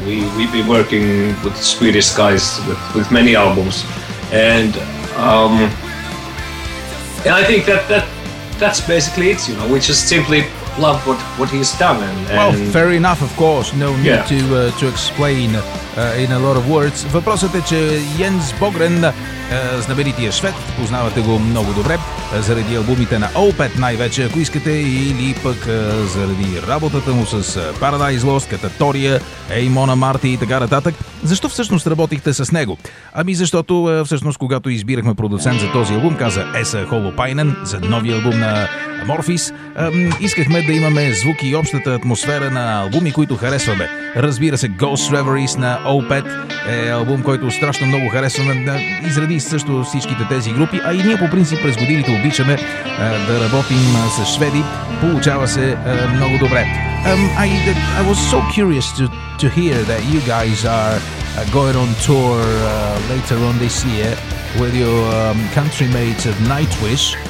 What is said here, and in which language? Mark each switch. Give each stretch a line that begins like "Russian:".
English: We've been working with Swedish guys with many albums, and I think that's basically it, you know. We just simply love what he's done, well, fair enough, of course, no need to explain in a lot of words.
Bulgarian: Въпросът е, че Jens Bogren, знаменития швед, познавате го много добре, заради албумите на Opeth най-вече, ако искате, или пък заради работата му с Paradise Lost, Кататория, Ей Мона Марти и така нататък. Защо всъщност работихте с него? Ами защото всъщност, когато избирахме продуцент за този албум, каза Еса Холопайнен за новия албум на Морфис, искахме да имаме звук и общата атмосфера на албуми, които харесваме. Разбира се, Ghost Reveries на Opeth е албум, който страшно много харесваме. Изради също всичките тези групи, а и ние по принцип през годините обичаме да работим с шведи. Получава се много добре.
English: I was so curious to hear that you guys are going on tour later on this year with your country mates of Nightwish.